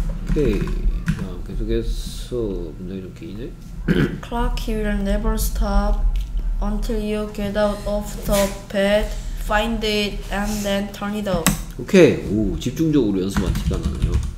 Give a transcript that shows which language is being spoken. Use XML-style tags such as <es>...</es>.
<ko>오케이, 다음 계속해서 문장이 좀 길네.</ko> <en>Clarky will never stop until you get out of the bed, find it, and then turn it off.</en> <ko>오케이, 오 집중적으로 연습한 티가 나네요.</ko>